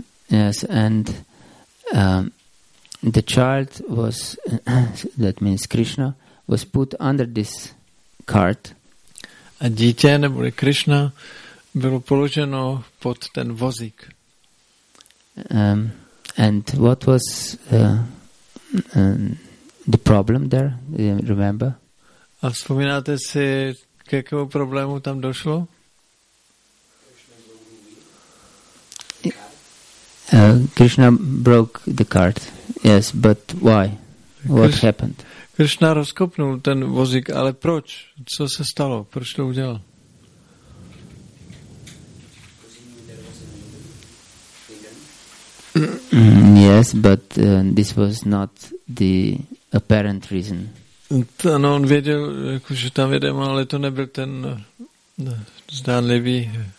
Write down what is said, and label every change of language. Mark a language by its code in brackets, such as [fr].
[en] Yes, and the child was, that means Krishna, was put under this cart. [cs] A dítě, neboli Krishna, bylo položeno pod ten vozík. [en] And what was the problem there? Do you remember? [cs] A vzpomínáte si, k jakému problému tam došlo? [en] Krishna broke the cart. Yes, but why? What happened? [cs] Krishna rozkopnul ten vozík, ale proč? Co se stalo? Proč to udělal? [en] Yes, but this was not the apparent reason. [cs] Ano, on věděl, že tam jedeme, ale to nebyl ten zdánlivý.